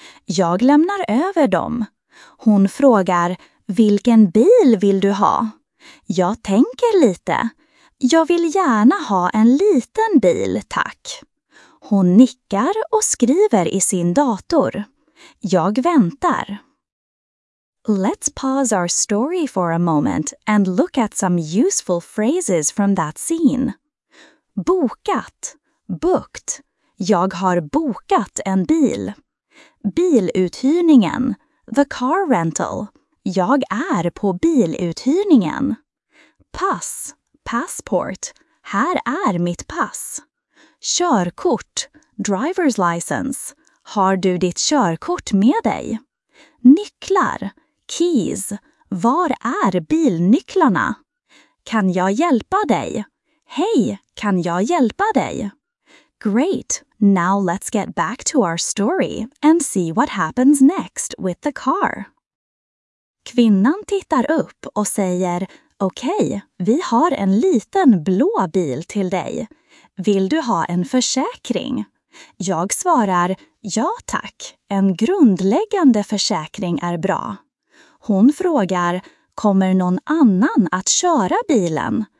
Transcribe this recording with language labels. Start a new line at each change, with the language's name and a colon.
Swedish: Jag lämnar över dem. Hon frågar: "Vilken bil vill du ha?" Jag tänker lite. "Jag vill gärna ha en liten bil, tack." Hon nickar och skriver i sin dator. Jag väntar.
English: Let's pause our story for a moment and look at some useful phrases from that scene.
Swedish: Bokat, booked. Jag har bokat en bil. Biluthyrningen,
English: the car rental.
Swedish: Jag är på biluthyrningen. Pass, passport. Här är mitt pass. Körkort,
English: driver's license.
Swedish: Har du ditt körkort med dig? Nycklar, keys. Var är bilnycklarna? Kan jag hjälpa dig? Hej, kan jag hjälpa dig?
English: Great, now let's get back to our story and see what happens next with the car.
Swedish: Kvinnan tittar upp och säger: "Okej, vi har en liten blå bil till dig. Vill du ha en försäkring?" Jag svarar: "Ja, tack. En grundläggande försäkring är bra." Hon frågar: "Kommer någon annan att köra bilen?